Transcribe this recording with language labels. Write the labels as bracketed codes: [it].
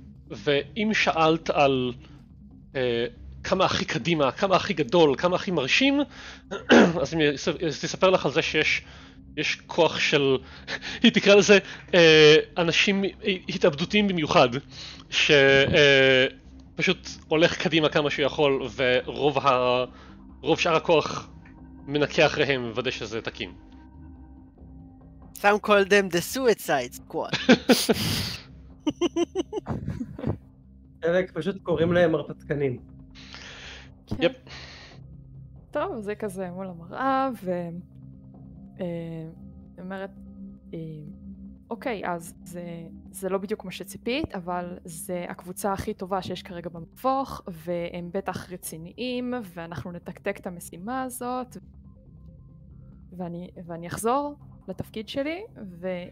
[he] ואם שאלת על כמה הכי קדימה, כמה הכי גדול, כמה הכי מרשים, אז אני אספר לך על זה שיש כוח של, היא תקרא לזה, אנשים התאבדותיים במיוחד, שפשוט הולך קדימה כמה שהוא יכול, ורוב שאר הכוח מנקה אחריהם, ודא שזה תקין. [en] Some call them the suicide squad. [he] חלק פשוט קוראים להם מרפתקנים. [en] יפ. [he] טוב, זה כזה מול המראה, ו... אומרת... אוקיי, אז זה לא בדיוק מה שציפית, אבל זה הקבוצה הכי טובה שיש כרגע במבוך, והם בטח רציניים, ואנחנו נתקתק את המשימה הזאת, ואני אחזור לתפקיד שלי, ו...